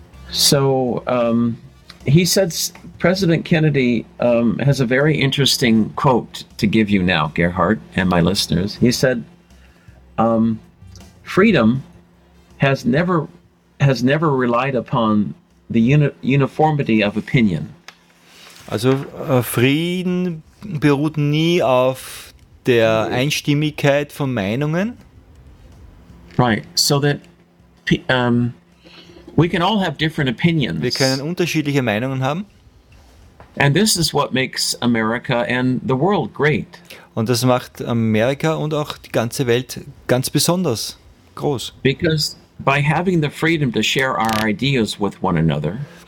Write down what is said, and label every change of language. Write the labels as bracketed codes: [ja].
[en] So, he says, President Kennedy has a very interesting quote to give you now, Gerhard, and my listeners. He said, freedom has never relied upon the uniformity of opinion. [de] Also, Frieden beruht nie auf der Einstimmigkeit von Meinungen. [en] Right, so that... we can all have different opinions. [de] Wir können unterschiedliche Meinungen haben. [en] And this is what makes America and the world great. [de] Und das macht Amerika und auch die ganze Welt ganz besonders groß. [en] Because by having the freedom to share our ideas with one another.